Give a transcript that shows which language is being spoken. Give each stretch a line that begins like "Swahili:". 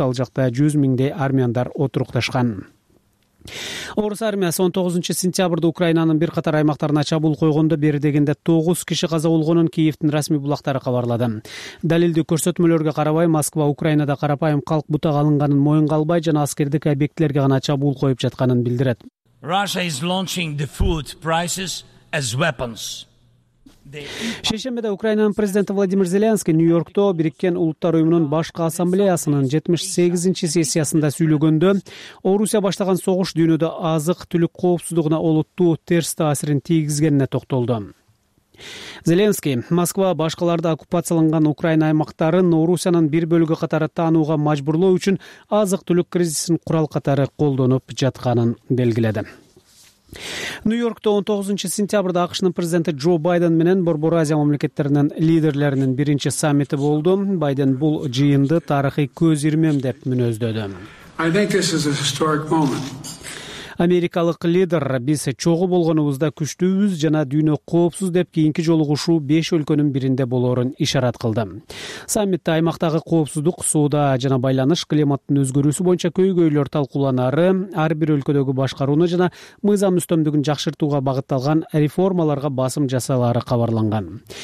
Kyrgyz: Ал жакта 100 000 армяндар отурукташкан. Орус армиясы 19-сентябрда Украинанын бир катар аймактарына чабуул койгондо бери дегенде 9 киши каза болгонун Киевдин расмий булактары кабарлады. Далилдүү көрсөтмөлөргө карабай, Москва Украинада карапайым калк бутага алынганын моюнга албай жана аскердик объектилерге гана чабуул коюп жатканын билдирет.
English: Russia is launching the food prices as weapons.
Kyrgyz: Шейшембиде Украинанын президенти Владимир Зеленский Нью-Йоркто Бириккен Улуттар Уюмунун Башкы Ассамблеясынын 78-нчи сессиясында сүйлөгөндө Орусия баштаган согуш дүйнөдө азык түлүк коопсуздугуна олуттуу терс таасирин тийгизгенине токтолду. Зеленский Москва башкаларды оккупацияланган Украина аймактарын Орусиянын бир бөлүгү катары таанууга мажбурлоо үчүн азык түлүк кризисин курал катары колдонуп жатканын белгиледи. Нью-Йоркто 19-сентябрда АКШнын президенти Джо Байден менен Борбор Азия мамлекеттеринин лидерлеринин биринчи саммити болду. Байден бул жыйынды тарыхый көз ирмем деп мүнөздөдү.
English: I think this is a historic moment.
Kyrgyz: Америкалык лидер, биз чогуу болгонубузда күчтүүбүз жана дүйнө коопсуз деп кийинки жолугушуу 5 өлкөнүн биринде болорун ишарат кылды. Саммитте аймактагы коопсуздук, соода жана байланыш, климаттын өзгөрүүсү боюнча көйгөйлөр талкууланары, ар бир өлкөдөгү башкарууну жана мыйзам үстөмдүгүн жакшыртууга багытталган реформаларга басым жасалары кабарланган.